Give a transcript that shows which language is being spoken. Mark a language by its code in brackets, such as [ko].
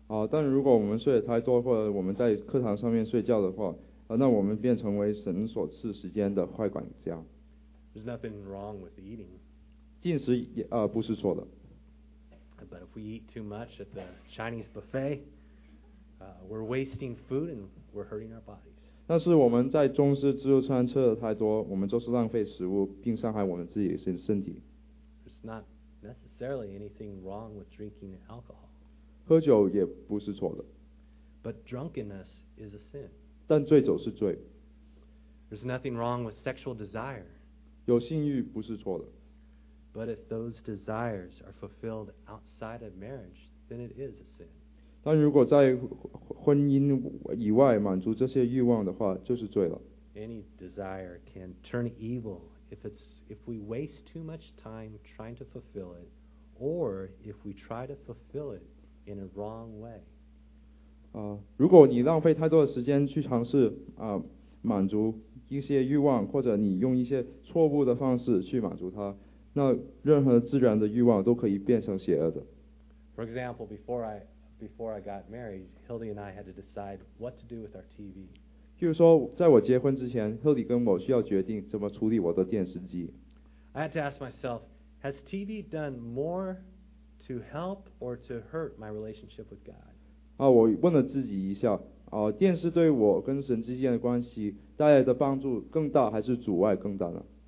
[zh] 但如果我们睡得太多，或者我们在课堂上面睡觉的话，那我们变成为神所赐时间的坏管家。 [en] There's nothing wrong with eating. [zh] 进食也不是错的。 [en] But if we eat too much at the Chinese buffet, we're wasting food and we're hurting our bodies. [zh] 但是我们在中式自助餐吃的太多，我们就是浪费食物，并伤害我们自己的身体。 [en] There's not necessarily anything wrong with drinking alcohol. [zh] 喝酒也不是错的。 [en] But drunkenness is a sin. [zh] 但醉酒是罪。 [en] There's nothing wrong with sexual desire. [zh] 有性欲不是错的。 [en] But if those desires are fulfilled outside of marriage, then it is a sin. [zh] 但如果在婚姻以外满足这些欲望的话，就是罪了。 [en] Any desire can turn evil if we waste too much time trying to fulfill it, or if we try to fulfill it in a wrong way. [zh] 如果你浪费太多的时间去尝试满足一些欲望，或者你用一些错误的方式去满足它，那任何自然的欲望都可以变成邪恶的。 [en] For example, before I got married, Hildy and I had to decide what to do with our TV. [zh] 譬如说，在我结婚之前 ，Hildy 跟我需要决定怎么处理我的电视机。 [en] I had to ask myself, has TV done more to help or to hurt my relationship with God? [zh] 我问了自己一下。电视对我跟神之间的关系带来的帮助更大，还是阻碍更大呢？